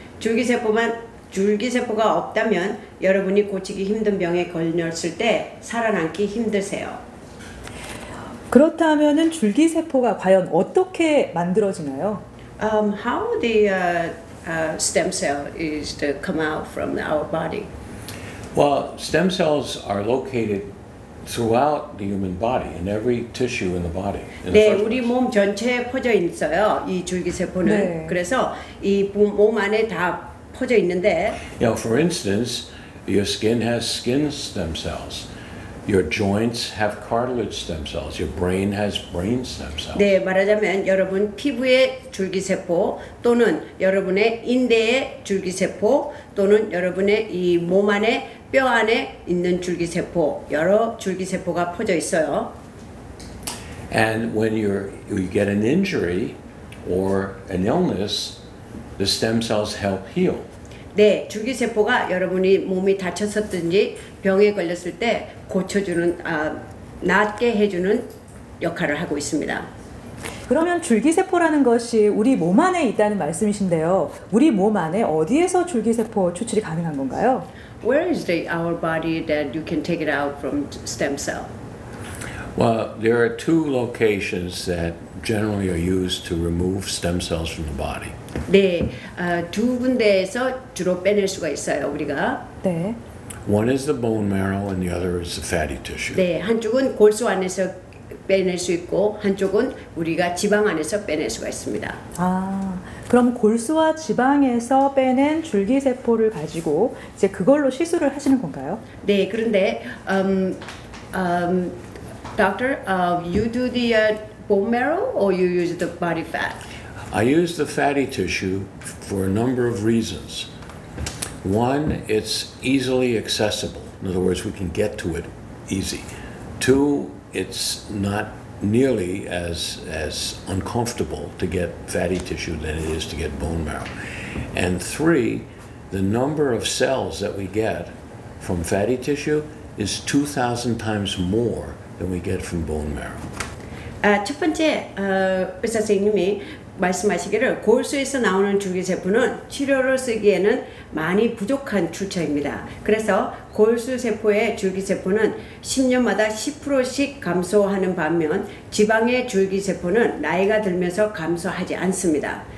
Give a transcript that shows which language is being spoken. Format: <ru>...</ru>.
<ko>줄기세포가 없다면 여러분이 고치기 힘든 병에 걸렸을 때 살아남기 힘드세요. 그렇다면은 줄기세포가 과연 어떻게 만들어지나요?</ko> <en>How the stem cell is to come out from our body? Well, stem cells are located throughout the human body, in every tissue in the body. In</en> <ko>the 네, 우리 몸 전체에 퍼져 있어요. 이 줄기세포는. 네. 그래서 이 몸 안에 다 퍼져 있는데.</ko> <en>You know, for instance, your skin has skin stem cells. Your joints have cartilage stem cells. Your brain has brain stem cells.</en> <ko>네, 말하자면 여러분 피부의 줄기세포 또는 여러분의 인대의 줄기세포 또는 여러분의 이 몸 안에 뼈 안에 있는 줄기세포, 여러 줄기세포가 퍼져 있어요.</ko> <en>And when you get an injury or an illness, the stem cells help heal.</en> <ko>네, 줄기세포가 여러분이 몸이 다쳤었든지 병에 걸렸을 때 고쳐주는, 낫게 해주는 역할을 하고 있습니다. 그러면 줄기세포라는 것이 우리 몸 안에 있다는 말씀이신데요. 우리 몸 안에 어디에서 줄기세포 추출이 가능한 건가요?</ko> <en>Where is our body that you can take it out from stem cell? Well, there are two locations that generally are used to remove stem cells from the body.</en> <ko>네, 두 군데에서 주로 빼낼 수가 있어요, 우리가. 네.</ko> <en>One is the bone marrow and the other is the fatty tissue.</en> <ko>네, 한쪽은 골수 안에서 빼낼 수 있고 한쪽은 우리가 지방 안에서 빼낼 수가 있습니다. 아, 그럼 골수와 지방에서 빼낸 줄기세포를 가지고 이제 그걸로 시술을 하시는 건가요? 네, 그런데</ko> <en>doctor, you do the bone marrow or you use the body fat? I use the fatty tissue for a number of reasons. One, it's easily accessible. In other words, we can get to it easy. Two, it's not nearly as uncomfortable to get fatty tissue than it is to get bone marrow. And three, the number of cells that we get from fatty tissue is 2,000 times more than we get from bone marrow.</en> <ko>첫 번째, 의사 선생님이 말씀하시기를 골수에서 나오는 줄기세포는 치료를 쓰기에는 많이 부족한 출처입니다. 그래서 골수세포의 줄기세포는 10년마다 10%씩 감소하는 반면 지방의 줄기세포는 나이가 들면서 감소하지 않습니다.</ko>